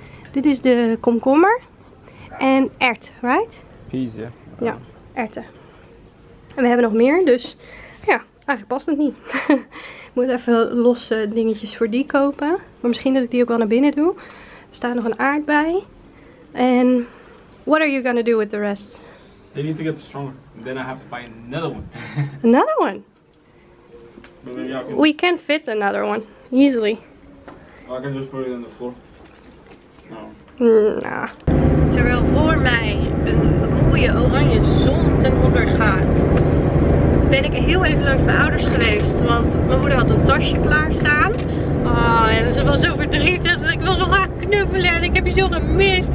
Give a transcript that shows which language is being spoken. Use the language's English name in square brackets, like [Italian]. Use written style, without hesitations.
[Dutch] Dit is de komkommer. En ert, [English] right? Peas, [Dutch] ja. Ja, erten. En we hebben nog meer, dus... Eigenlijk past het niet. Ik moet even losse dingetjes voor die kopen. Maar misschien dat ik die ook wel naar binnen doe. Er staat nog een aardbei. [English] En what are you gonna do with the rest? They need to get stronger. Then I have to buy another one. Another one? We can fit another one. Easily. I can just put it on the floor. No. Nah. [Dutch] Terwijl voor mij een mooie oranje zon ten onder gaat. Ben ik heel even langs mijn ouders geweest, want mijn moeder had een tasje klaarstaan. Oh, en ze was zo verdrietig. Ze zei, ik wil zo graag knuffelen en ik heb je zo gemist.